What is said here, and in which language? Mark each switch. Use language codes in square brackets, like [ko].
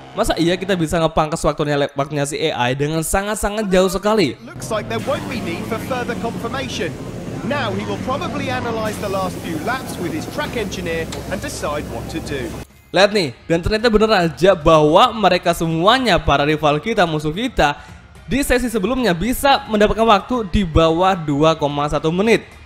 [id] Masa iya kita bisa ngepangkas waktunya lap-nya si AI dengan sangat-sangat jauh sekali. [en] Looks like there won't be need for further confirmation. Now he will probably analyze the last few laps with his track engineer and decide what to do. [id] Lihat nih, dan ternyata bener aja bahwa mereka semuanya, para rival kita, musuh kita, di sesi sebelumnya bisa mendapatkan waktu di bawah 2,1 menit.